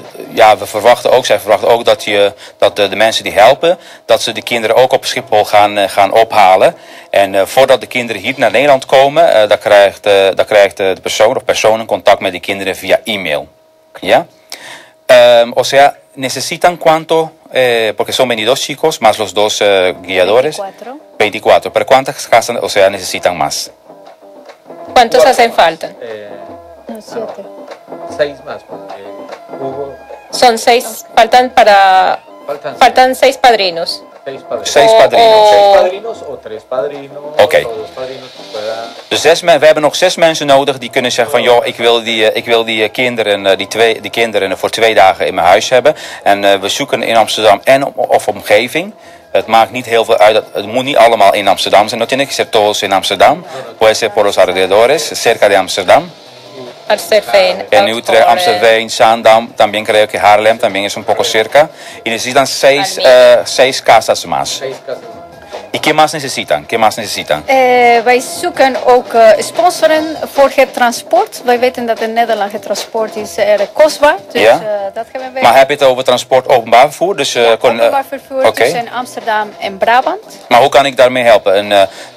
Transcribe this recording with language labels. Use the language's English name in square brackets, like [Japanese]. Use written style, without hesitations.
[Dutch] Ja, we verwachten ook, zij verwachten ook dat, je, dat de mensen die helpen, dat ze de kinderen ook op Schiphol gaan ophalen. En voordat de kinderen hier naar Nederland komen, dan krijgt de persoon of personen contact met die kinderen via e-mail. Ja? [Spanish] O sea, necesitan cuánto, porque son 22 chicos, más los dos guiadores. 24. ¿Pero cuántas casas, o sea, necesitan más? ¿Cuántos hacen falta? 7. 6 más, porque hubo... Son 6, okay. faltan para Faltan seis padrinos. Seis padrinos. [Dutch] Oké. Okay. We hebben nog zes mensen nodig die kunnen zeggen van joh, ik wil die kinderen voor 2 dagen in mijn huis hebben. En we zoeken in Amsterdam en of omgeving. Het maakt niet heel veel uit. Het moet niet allemaal in Amsterdam zijn. [Spanish] No tiene que ser todos in Amsterdam. Puede ser por los alrededores, cerca de Amsterdam. Amsterdam. En Utrecht, Amsterdam, Zaandam, también creo que Haarlem, también es un poco cerca. Y necesitan seis casas más. ¿Y qué más necesitan? [Dutch] Wij zoeken ook sponsoren voor het transport. Wij weten dat in Nederland het transport is erg kostbaar. Dus yeah. Dat gaan we. Maar heb je het over transport openbaar vervoer? Dus, openbaar vervoer okay. Tussen Amsterdam en Brabant. Maar hoe kan ik daarmee helpen?